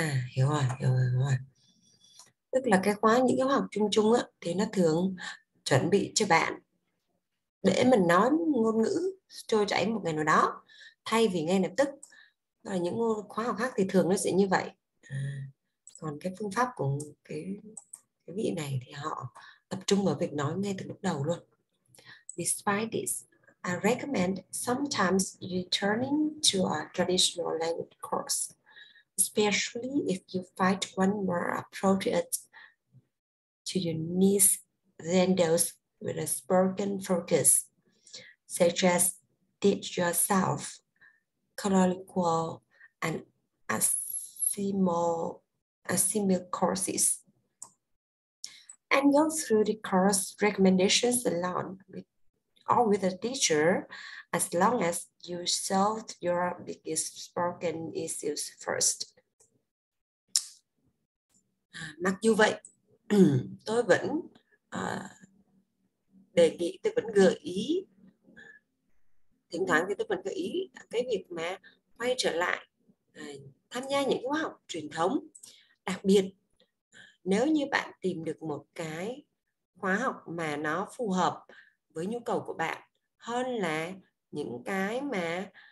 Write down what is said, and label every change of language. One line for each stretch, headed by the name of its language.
Vietnamese: Hiểu rồi. Tức là cái khóa những cái học chung á thì nó thường chuẩn bị cho bạn để mình nói ngôn ngữ trôi chảy một ngày nào đó thay vì ngay lập tức. Và những khóa học khác thì thường nó sẽ như vậy. Còn cái phương pháp của cái vị này thì họ tập trung vào việc nói ngay từ lúc đầu luôn.
English: Despite this, I recommend sometimes returning to a traditional language course, especially if you find one more appropriate to your needs than those with a spoken focus, such as teach yourself, colloquial, and assimil courses, and go through the course recommendations alone or with a teacher, as long as you solved your biggest spoken issues first.
Vietnamese: Mặc dù vậy, tôi vẫn đề nghị, tôi vẫn gợi ý, thỉnh thoảng thì tôi vẫn gợi ý cái việc mà quay trở lại tham gia những khóa học truyền thống. Đặc biệt, nếu như bạn tìm được một cái khóa học mà nó phù hợp với nhu cầu của bạn hơn là những cái mà